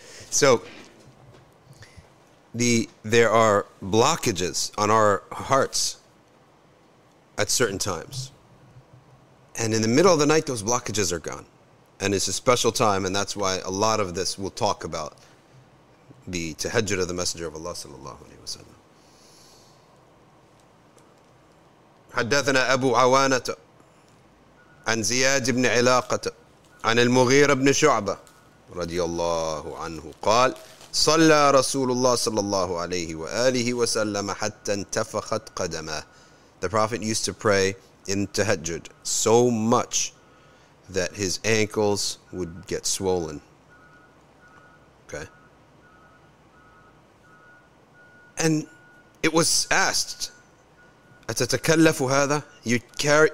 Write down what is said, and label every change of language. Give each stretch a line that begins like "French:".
English: So, there are blockages on our hearts at certain times. And in the middle of the night, those blockages are gone. And it's a special time, and that's why a lot of this we'll talk about the tahajjud of the Messenger of Allah, sallallahu alayhi wa sallam.
Arabic: حدثنا أبو عوانة عن زياد بن علاقة عن المغيرة بن شعبة رضي الله عنه قال صلى رسول الله صلى الله عليه وآله وسلم حتى انتفخت قدمه.
English: The Prophet used to pray in tahajjud so much that his ankles would get swollen. Okay. And it was asked,
Arabic: أَتَتَكَلَّفُ هَذَا?